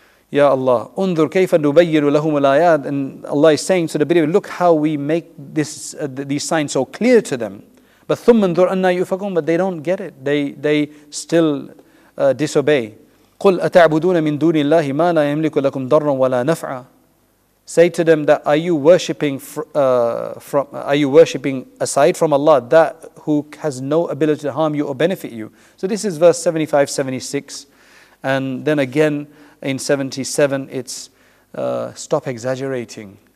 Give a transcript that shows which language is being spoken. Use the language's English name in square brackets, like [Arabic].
[Arabic] Ya Allah, انظر كيف نبين لهم الآيات. [English] And Allah is saying to the believer, look how we make this these signs so clear to them. But ثم انظر أنا يفقون. But they don't get it. They still disobey. [Arabic] قل أتعبدون من دون الله ما لا يملك لكم ضرا ولا نفعا. [English] Say to them that are you worshipping aside from Allah, that who has no ability to harm you or benefit you? So this is verse 75, 76. And then again in 77, it's stop exaggerating.